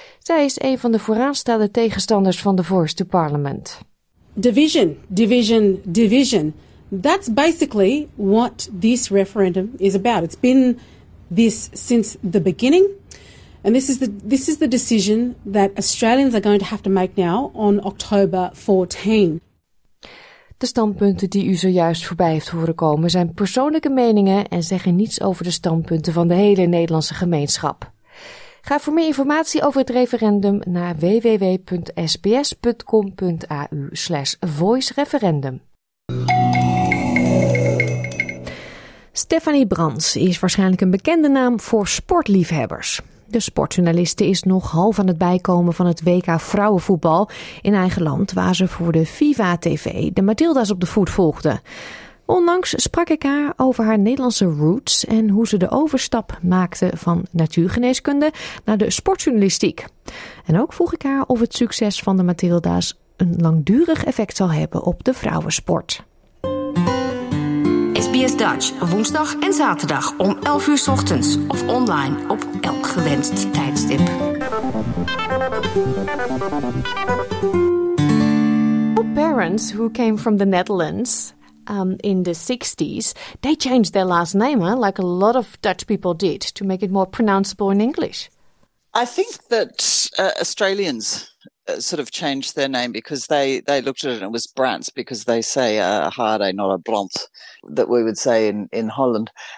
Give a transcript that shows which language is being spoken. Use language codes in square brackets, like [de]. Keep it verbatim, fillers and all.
[nl] Zij is een van de vooraanstaande tegenstanders van de Voice to Parliament. [en] Division, division, division. That's basically what this referendum is about. It's been this since the beginning. And this is the this is the decision that Australians are going to have to make now on October fourteenth. [nl] De standpunten die u zojuist voorbij heeft horen komen zijn persoonlijke meningen en zeggen niets over de standpunten van de hele Nederlandse gemeenschap. Ga voor meer informatie over het referendum naar w w w punt s b s punt com punt a u slash voice referendum. Stephanie Brands is waarschijnlijk een bekende naam voor sportliefhebbers. De sportjournaliste is nog half aan het bijkomen van het W K vrouwenvoetbal in eigen land, waar ze voor de Viva T V de Matilda's op de voet volgde. Onlangs sprak ik haar over haar Nederlandse roots en hoe ze de overstap maakte van natuurgeneeskunde naar de sportjournalistiek. En ook vroeg ik haar of het succes van de Matilda's een langdurig effect zal hebben op de vrouwensport. S B S Dutch, woensdag en zaterdag om elf uur 's ochtends of online op elk gewenst tijdstip. [en] Parents who came from the Netherlands um, in the sixties, they changed their last name, huh? Like a lot of Dutch people did, to make it more pronounceable in English. I think that uh, Australians uh, sort of changed their name because they, they looked at it and it was Brants, because they say a harde, not a bront, that we would say in, in Holland.